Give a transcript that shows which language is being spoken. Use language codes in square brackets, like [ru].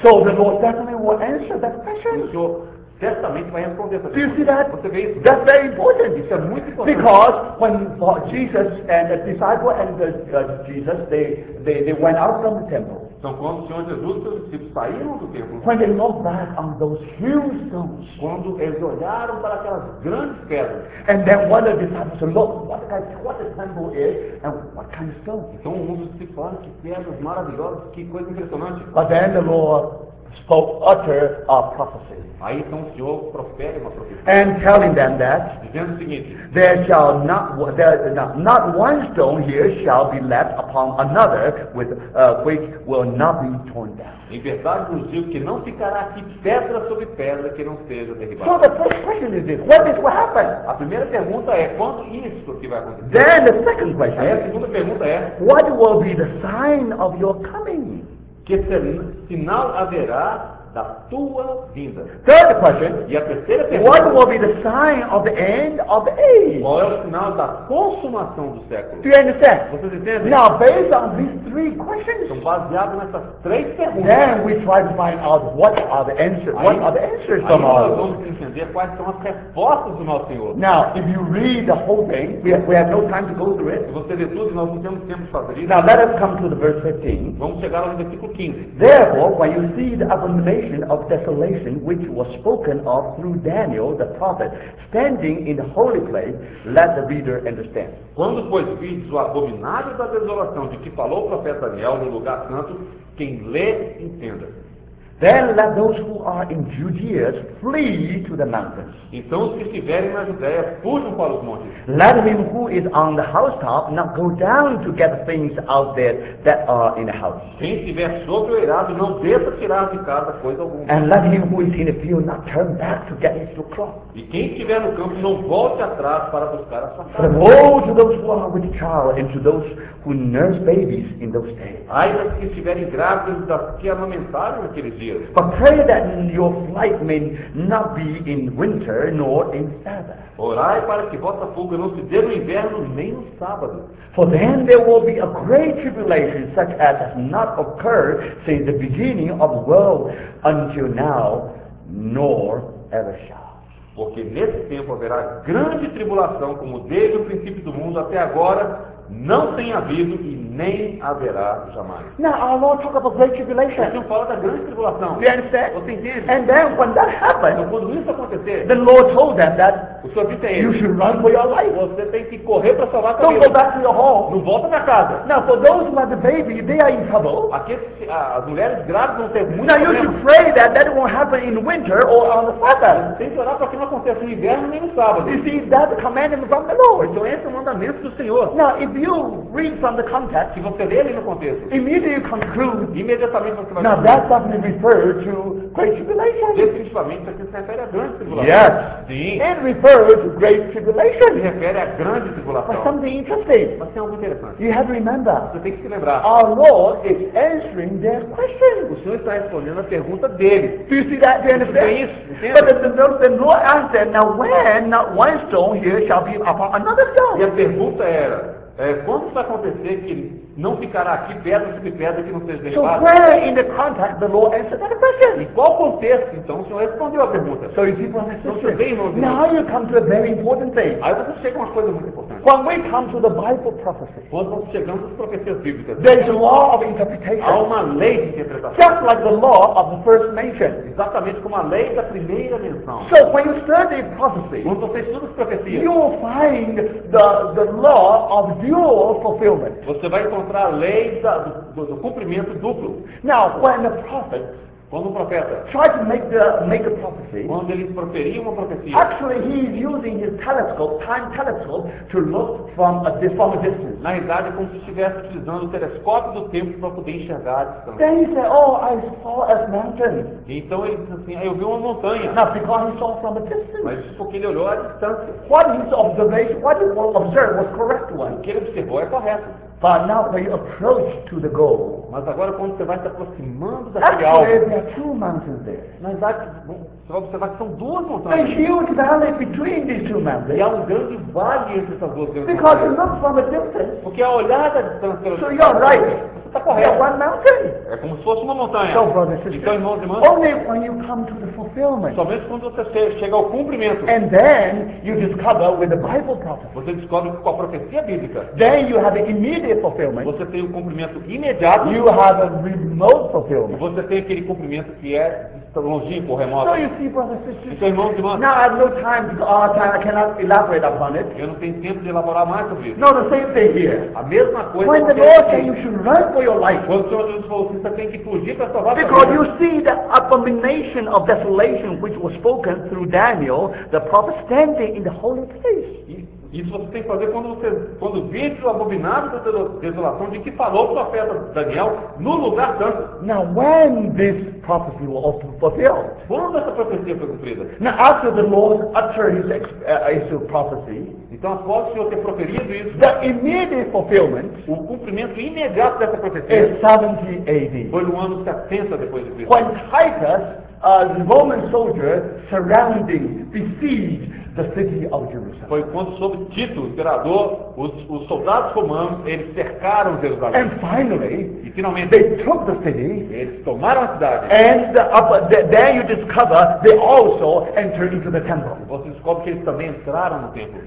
[en] So the Lord definitely will answer that question. [pt] O Senhor certamente vai responder essa pergunta. [en] Do you see that? [pt] Você vê isso? [en] That's very important. [pt] Isso é muito importante. [en] Because when Jesus and the disciple and Jesus, they went out from the temple. [pt] Então, quando o Senhor Jesus e seus discípulos saíram do templo, [en] when they looked back on those huge stones, [pt] quando eles olharam para aquelas grandes pedras, [en] and then one of the disciples said, look, what the temple is and what kind of stone. [pt] Então, um dos discípulos falou, que pedras maravilhosas, que coisa impressionante. [en] But then the Lord spoke utter a prophecy. [pt] Aí então o Senhor profere uma profecia. [en] And telling them that, [pt] dizendo o seguinte, [en] there shall not one stone here shall be left upon another with which will not be torn down. [pt] Em verdade vos digo que não ficará aqui pedra sobre pedra que não seja derribada. [en] So the first question is this: when this will happen? [pt] A primeira pergunta é quando isso que vai acontecer. [en] Then the second question. [pt] Aí a segunda pergunta é: [en] what will be the sign of your coming? [pt] Que sinal haverá da tua vinda? [en] Third question. [pt] E a terceira pergunta. [en] What will be the sign of the end of the age? [pt] Qual é o sinal da consumação do século? [en] Do you understand? [pt] Vocês entendem? [en] Now, based on these three questions. [pt] Então, baseado nessas três perguntas. [en] Then we try to find out what are the answers. What are the answers from our [pt] Vamos entender quais são as respostas do nosso Senhor. [en] Now, if you read the whole thing, we have no time to go through it. [pt] Se você ler tudo, nós não temos tempo de fazer isso. [en] Now, let us come to the verse 15. [pt] Vamos chegar ao versículo 15. [en] Therefore, when you see the abomination of desolation, which was spoken of through Daniel the prophet, standing in the holy place, let the reader understand. [pt] Quando, pois, vides o abominável da desolação de que falou o profeta Daniel no lugar santo, quem lê, entenda. [en] Then let those who are in Judea flee to the mountains. [pt] Então os que estiverem na Judeia fujam para os montes. [en] Let him who is on the housetop not go down to get things out there that are in the house. [pt] Quem estiver sobre o eirado não desça tirar de casa coisa alguma. [en] And let him who is in the field not turn back to get his crop. [pt] E quem estiver no campo não volte atrás para buscar a sua casa. [en] But woe to those who are with child and to those who nurse babies in those days. [pt] Ai dos que estiverem grávidos e das que amamentaram aqueles. [en] But pray that your flight may not be in winter nor in Sabbath. [pt] Orai para que vossa fuga não se dê no inverno nem no sábado. [en] For then there will be a great tribulation such as has not occurred since the beginning of the world until now, nor ever shall. [pt] Porque nesse tempo haverá grande tribulação como desde o princípio do mundo até agora não tem havido e nem haverá jamais. [en] Now our Lord talked about great tribulation. [pt] Ele fala da grande tribulação. [en] You understand? [pt] Você entende? [en] And then when that happens, [pt] então, quando isso acontecer, [en] the Lord told them that [pt] o seu dito é esse, [en] you should run for your life. [pt] Você tem que correr para salvar a [en] don't [pt] família. [en] Go back to your home. [pt] Não volta para casa. [en] Now for those who have the baby, they are in trouble. [pt] Aqueles, as mulheres grávidas vão ter muito [en] now, [pt] problema. [en] Now you should pray that that won't happen in winter or on the Sabbath. [pt] Tem que orar para que não aconteça no inverno nem no sábado. [en] You see, that commandment from the Lord. [pt] Então esse é o mandamento do Senhor. [en] Now, if you read from the context, [pt] se você lê ali no contexto, [en] immediately conclude, [pt] imediatamente você vai [en] now conclude. That definitely refers to great tribulation. [pt] Definitivamente, aqui se refere à grande tribulação. [en] Yes. [pt] Sim. [en] It refers to great tribulation. [pt] Se refere à grande tribulação. [en] But something interesting. [pt] Mas tem algo interessante. [en] You have to remember. [pt] Você tem que se lembrar. [en] Our Lord is answering their question. [pt] O Senhor está respondendo a pergunta dele. [en] Do you see that? Do you understand? [pt] Isso. Entendo. [en] But the Lord answered, now when not one stone here shall be upon another stone. [pt] E a pergunta era, quando isso vai acontecer que não ficará aqui pedra sobre pedra que não seja derrubada? [en] So where in the context the Lord answered that question? [pt] Em qual contexto então o Senhor respondeu a pergunta? [en] So is it from the scripture? Now you come to a very important thing. [pt] Aí você chega a uma coisa muito importante. [en] When we come to the Bible prophecy, [pt] quando nós chegamos às profecias bíblicas, [en] there is a law of interpretation. [pt] Há uma lei de interpretação. [en] Just like the law of the first mention. [pt] Exatamente como a lei da primeira menção. [en] So when you study prophecy, [pt] quando você estuda as profecias, [en] you will find the law of dual fulfillment. [pt] Você vai encontrar a lei do cumprimento duplo. [en] Now, when the prophet, [pt] quando o profeta, [en] try to make a prophecy, [pt] quando ele proferia uma profecia, [en] actually he is using his telescope, time telescope, to look from a distance. [pt] Na verdade, como se estivesse utilizando o telescópio do tempo para poder enxergar a distância. [en] Then he said, oh, I saw a mountain. [pt] Então ele disse assim, eu vi uma montanha. [en] Now, because he saw from a distance. [pt] Mas isso porque ele olhou a distância. [en] What his observation, what he observed was correct one. [pt] O que ele observou é correto. [en] But now when you approach to the goal, [pt] mas agora quando você vai se aproximando da realidade, [en] two mountains there. [pt] Na verdade, você vai observar que são duas montanhas. [en] A huge valley between these two mountains. [pt] E há um grande vale entre essas duas montanhas. [en] Because you look from a distance. [pt] Porque a olhar da distância. [en] So you're right. [pt] Está correto. [en] One mountain. [pt] É como se fosse uma montanha. [en] So, brother, sister, only when you come to the fulfillment. [pt] Somente quando você chega ao cumprimento. [en] And then you discover with the Bible prophecy. [pt] Você descobre com a profecia bíblica. [en] Then you have an immediate fulfillment. [pt] Você tem um cumprimento imediato. [en] You have a remote fulfillment. [pt] E você tem aquele cumprimento que é longínquo, remoto. [en] So you see, brother, sister, [pt] então, irmãos e irmãs. [en] Now I have no time, because all time I cannot elaborate upon it. [pt] Eu não tenho tempo de elaborar mais sobre isso. [en] No, the same thing here. [pt] A mesma coisa. [en] When the Lord says you should run for your life. [pt] Quando o Senhor Jesus falou, você tem que fugir para salvar a vida. [en] Because you see the abomination of desolation which was spoken through Daniel, the prophet standing in the holy place. [pt] Isso você tem que fazer quando vir o abominável da desolação de que falou o profeta Daniel no lugar santo. [en] Now when this prophecy was fulfilled. [pt] Quando essa profecia foi cumprida. [en] Now after the Lord uttered his prophecy. [pt] Então após o Senhor ter proferido isso. [en] The immediate fulfillment. [pt] O cumprimento imediato dessa profecia. [en] Is 70 AD. [pt] Foi no ano 70 depois de Cristo. [en] When Titus, the Roman soldier, surrounding, besieged the city of Jerusalem. [pt] Foi quando sob Tito, imperador, os soldados romanos, eles cercaram Jerusalém. [en] And finally, [pt] e finalmente, [en] they took the city. [pt] Eles tomaram a cidade. [en] And then you discover they also entered into the temple. [pt] Você descobre que eles também entraram no templo.